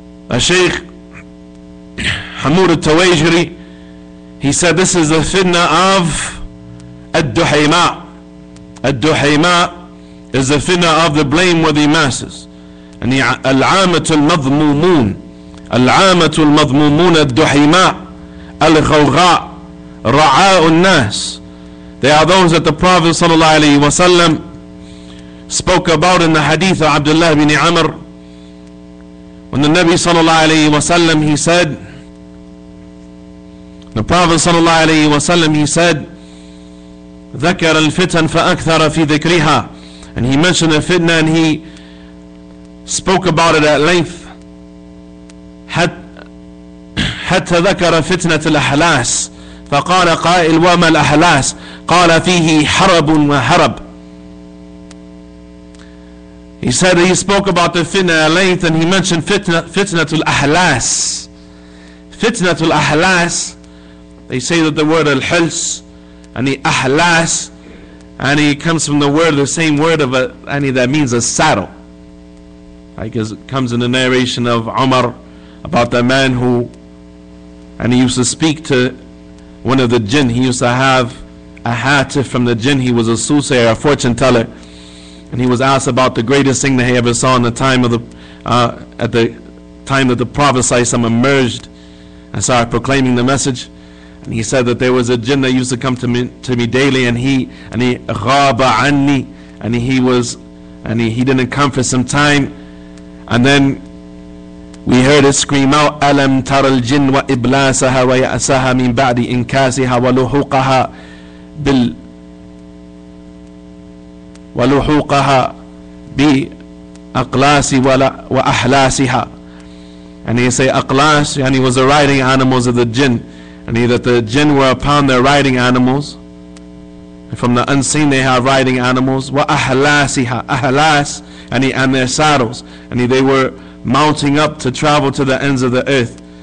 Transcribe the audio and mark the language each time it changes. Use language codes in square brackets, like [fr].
[en] A sheikh, Hamoud al-Tawajiri, he said this is the fitnah of الدُّحَيْمَاء. الدُّحَيْمَاء is the fitnah of the blameworthy masses. And the [ar] الْعَامَةُ الْمَظْمُومُونَ. العامة المضمومون الدحيماء الغوغاء رعاء الناس. [en] They are those that the Prophet صلى الله عليه وسلم spoke about in the hadith of Abdullah ibn Amr, when the Nabi صلى الله عليه وسلم, he said, the Prophet صلى الله عليه وسلم, he said, [ar] ذكر الفتن فأكثر في ذكرها. [en] And he mentioned the fitna and he spoke about it at length. [ar] حتى ذكر فتنة الأحلاس فقال قائل وما الأحلاس؟ قال فيه حرب وهرب. [en] He said he spoke about the fitna at length and he mentioned فتنة الأحلاس. فتنة الأحلاس, they say that the word الحلس and the أحلاس, and it comes from the word, the same word of that means a saddle. Like it comes in the narration of Umar about the man who, and he used to speak to one of the jinn. He used to have a hatif from the jinn. He was a soothsayer, a fortune teller. And he was asked about the greatest thing that he ever saw in the time of the, at the time that the Prophet ﷺ emerged and started proclaiming the message. And he said that there was a jinn that used to come to me daily, and he [ar] ghaba anni, [en] and he didn't come for some time. And then we heard it scream out, [ar] أَلَمْ تَرَ الْجِنَّ وَإِبْلَاسَهَا وَيَأْسَهَا مِنْ بَعْدِ إِنْكَاسِهَا وَلُحُوقَهَا بِالْ وَلُحُوقَهَا بِأَقْلَاسِ وَأَحْلَاسِهَا. [en] And he say أقلاس, and he was the riding animals of the jinn, and he that the jinn were upon their riding animals, and from the unseen they have riding animals, وَأَحْلَاسِهَا أَحْلَاس, and he and their saddles, and he they were mounting up to travel to the ends of the earth.